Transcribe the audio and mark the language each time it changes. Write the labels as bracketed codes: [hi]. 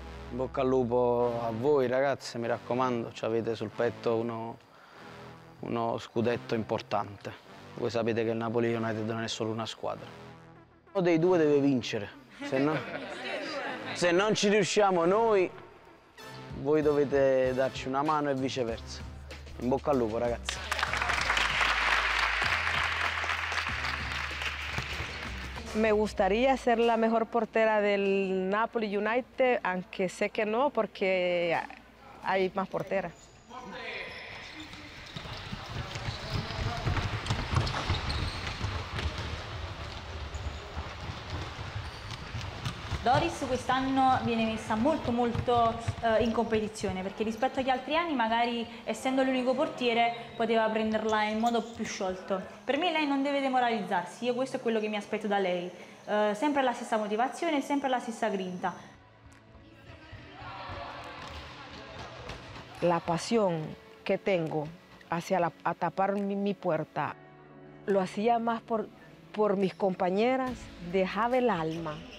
[it] In bocca al lupo a voi ragazzi, mi raccomando, ci avete sul petto uno scudetto importante. Voi sapete che il Napoli United non è solo una squadra. Uno dei due deve vincere, se no, se non ci riusciamo noi, voi dovete darci una mano e viceversa. In bocca al lupo, ragazzi. [es] Me gustaría ser la mejor portera del Napoli United, aunque sé que no, porque hay más porteras. [it] Doris quest'anno viene messa molto molto in competizione perché rispetto agli altri anni magari essendo l'unico portiere poteva prenderla in modo più sciolto. Per me lei non deve demoralizzarsi, io questo è quello che mi aspetto da lei. Sempre la stessa motivazione, sempre la stessa grinta. La passione che tengo [es] hacia la, a tapar mi puerta lo hacía más por mis compañeras, dejaba el alma.